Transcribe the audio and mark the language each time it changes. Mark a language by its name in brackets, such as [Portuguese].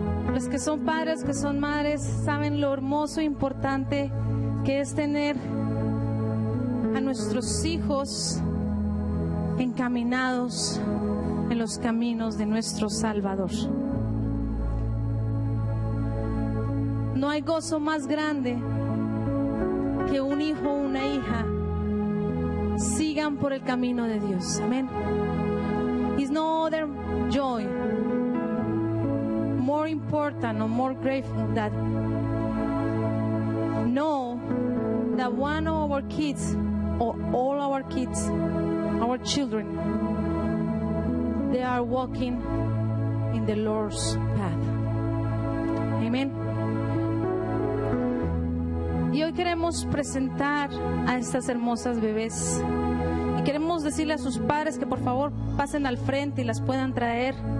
[Spanish] Los que son padres, que son madres, saben lo hermoso e importante que es tener a nuestros hijos encaminados en los caminos de nuestro Salvador. No hay gozo más grande que un hijo o una hija sigan por el camino de Dios. Amén. [English] There's no other joy more important or more grateful that know that one of our kids or all our kids, our children, they are walking in the Lord's path. Amen. [Spanish] Y hoy queremos presentar a estas hermosas bebés y queremos decirle a sus padres que por favor pasen al frente y las puedan traer.